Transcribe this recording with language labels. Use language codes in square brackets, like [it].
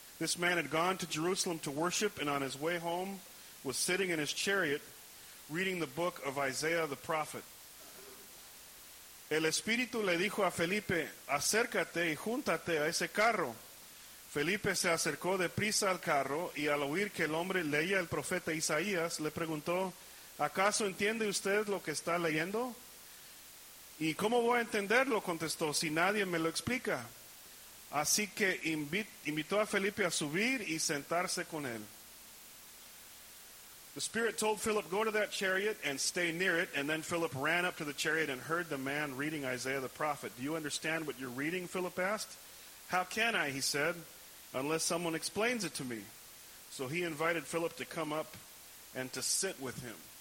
[en] This man had gone to Jerusalem to worship, and on his way home was sitting in his chariot reading the book of Isaiah the prophet. [es] El Espíritu le dijo a Felipe, acércate y júntate a ese carro. Felipe se acercó de prisa al carro y al oír que el hombre leía el profeta Isaías, le preguntó, ¿acaso entiende usted lo que está leyendo? ¿Y cómo voy a entenderlo? Contestó, si nadie me lo explica. Así que invitó a Felipe a subir y sentarse con él. [en] The Spirit told Philip, go to that chariot and stay near it. And then Philip ran up to the chariot and heard the man reading Isaiah the prophet. Do you understand what you're reading? Philip asked. How can I? He said, unless someone explains it to me. So he invited Philip to come up and to sit with him.